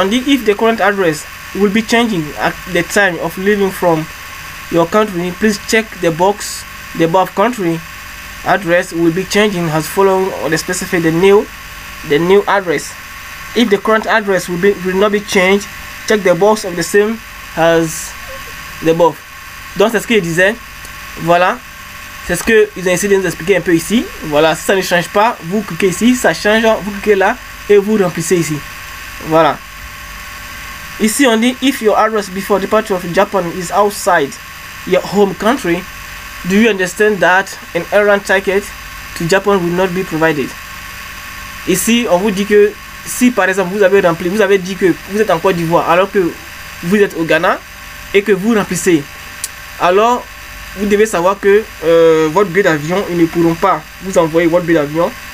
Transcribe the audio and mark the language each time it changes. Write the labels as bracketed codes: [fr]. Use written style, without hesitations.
[fr] On dit [en] if the current address will be changing at the time of leaving from your country, please check the box, the above country address will be changing as following or the specify the new address. If the current address will not be changed, check the box of the same as the above. [fr] Donc c'est ce qu'il disait. Voilà, c'est ce que ils ont essayé de nous expliquer un peu ici. Voilà, si ça ne change pas, vous cliquez ici, ça change, vous cliquez là et vous remplissez ici. Voilà, ici on dit [en] if your address before departure of Japan is outside your home country, do you understand that an airline ticket to Japan will not be provided? [fr] Ici, on vous dit que si par exemple vous avez rempli, vous avez dit que vous êtes en Côte d'Ivoire alors que vous êtes au Ghana et que vous remplissez, alors vous devez savoir que votre billet d'avion, ils ne pourront pas vous envoyer votre billet d'avion.